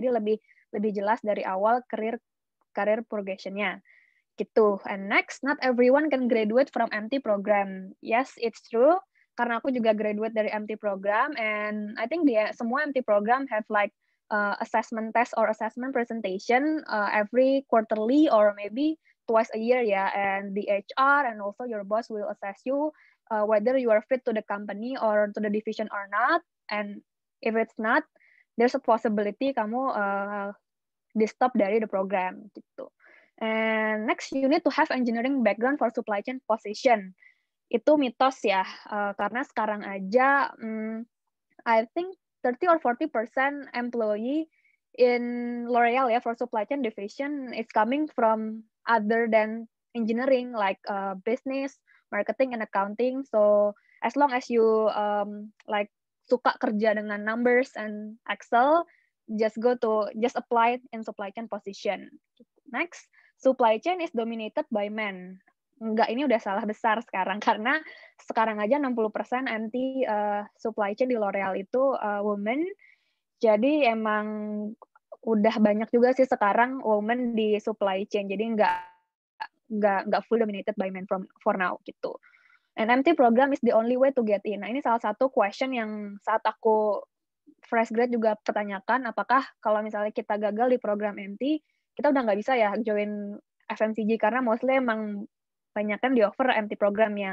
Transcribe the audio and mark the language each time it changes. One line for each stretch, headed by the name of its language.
Indonesian: Jadi lebih jelas dari awal career progression-nya. Gitu.
English: And next, not everyone can graduate from MT program. Yes, it's true.
Indonesian: Karena aku juga
English: graduate dari MT program, and I think semua MT program have like assessment test or assessment presentation every quarterly or maybe twice a year, yeah. And the HR and also your boss will assess you whether you are fit to the company or to the division or not. And if it's not, there's a possibility
Indonesian: kamu di-stop dari
English: the program, gitu. And next, you need to have engineering background for supply chain position.
Indonesian: itu mitos ya, karena sekarang aja
English: I think 30 or 40% employee in L'Oreal ya, for supply chain division, is coming from other than engineering, like business, marketing, and accounting. So as long as you like
Indonesian: suka kerja dengan
English: numbers and Excel, just apply in supply chain position. Next, supply chain is dominated by men.
Indonesian: Enggak, ini udah salah besar sekarang, karena sekarang aja 60% MT supply chain di L'Oreal itu women. Jadi emang udah banyak juga sih sekarang women di supply chain. Jadi enggak
English: full dominated by men for now
Indonesian: gitu.
English: And MT program is the only way to get in.
Indonesian: Nah, ini salah satu question yang saat aku
English: fresh grad
Indonesian: juga pertanyakan, apakah kalau misalnya kita gagal di program MT, kita udah enggak bisa ya join FMCG, karena mostly emang banyak kan di offer MT program ya.